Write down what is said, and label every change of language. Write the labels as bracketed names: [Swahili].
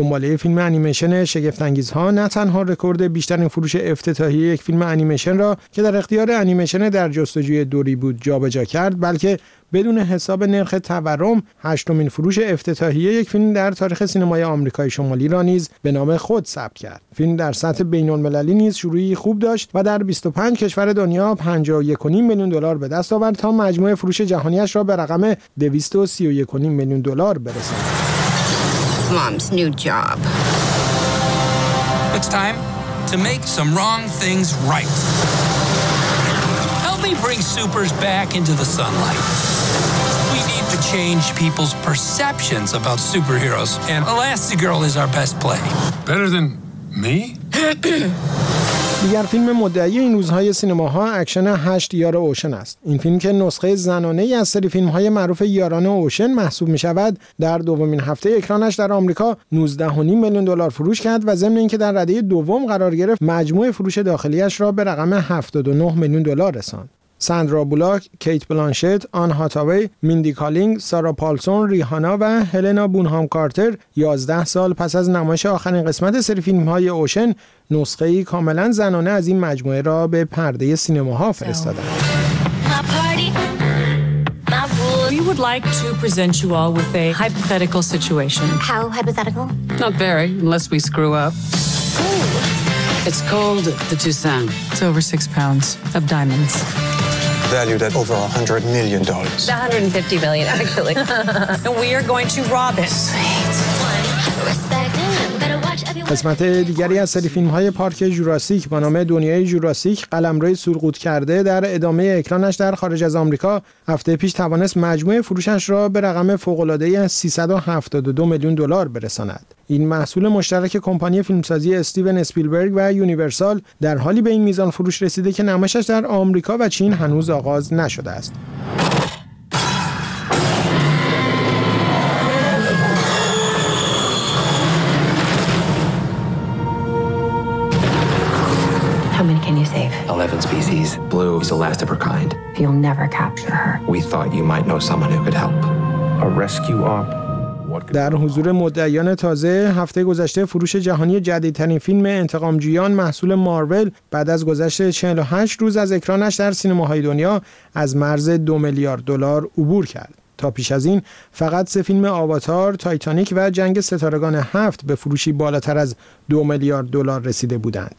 [Persian] دنباله فیلم انیمیشن شگفت‌انگیزها نه تنها رکورد بیشترین فروش افتتاحیه یک فیلم انیمیشن را که در اختیار انیمیشن در جستجوی دوری بود جابجا کرد، بلکه بدون حساب نرخ تورم هشتمین فروش افتتاحیه یک فیلم در تاریخ سینمای آمریکای شمالی را نیز به نام خود ثبت کرد. فیلم در سطح بین‌المللی نیز شروعی خوب داشت و در 25 کشور دنیا 51.5 میلیون دلار به دست آورد تا مجموع فروش جهانی اش را به رقم 231.5 میلیون دلار برساند. [English] Mom's new job. It's time to make some wrong things right. Help me bring supers back into the sunlight. We need to change people's perceptions about superheroes and Elastigirl is our best play. Better than me? [Persian] دیگر فیلم مدعی این روزهای سینماها اکشن 8 یار اوشن است. این فیلم که نسخه زنانه ای از سری فیلم‌های معروف یاران اوشن محسوب می‌شود، در دومین هفته اکرانش در آمریکا 19.5 میلیون دلار فروش کرد و ضمن اینکه در رده دوم قرار گرفت، مجموع فروش داخلیش را به رقم 79 میلیون دلار رساند. ساندرا بولاک، کیت بلانشت، آن هاتاوی، میندی کالینگ، سارا پالسون، ریحانا و هلنا بونهام کارتر 11 سال پس از نمایش آخرین قسمت سری فیلم‌های اوشن نسخه ای کاملا زنانه از این مجموعه را به پرده سینماها فرستادند. [English] We would like to present you all with a hypothetical situation. How hypothetical? Not very, unless we screw up. Ooh. It's called the Toussaint. It's over 6 pounds of diamonds. Valued at over $100 million. $150 million, actually. And we are going to rob it. Sweet. [Persian] قسمت دیگری از سری فیلم‌های پارک جوراسیک با نام دنیای جوراسیک قلمروی سرقوط کرده در ادامه اکرانش در خارج از آمریکا هفته پیش توانست مجموع فروشش را به رقم فوق‌العاده 372 میلیون دلار برساند. این محصول مشترک کمپانی فیلمسازی استیون اسپیلبرگ و یونیورسال در حالی به این میزان فروش رسیده که نمایشش در آمریکا و چین هنوز آغاز نشده است. [English] Species. Blue is the last of her kind. You'll never capture her. We thought you might know someone who could help. A rescue op. [Persian] در حضور مدعیان تازه، هفته گذشته فروش جهانی جدیدترین فیلم انتقامجویان محصول مارول بعد از گذشت 48 روز از اکرانش در سینماهای دنیا از مرز 2 میلیارد دلار عبور کرد. تا پیش از این فقط 3 فیلم آواتار، تایتانیک و جنگ ستارگان 7 به فروشی بالاتر از 2 میلیارد دلار رسیده بودند.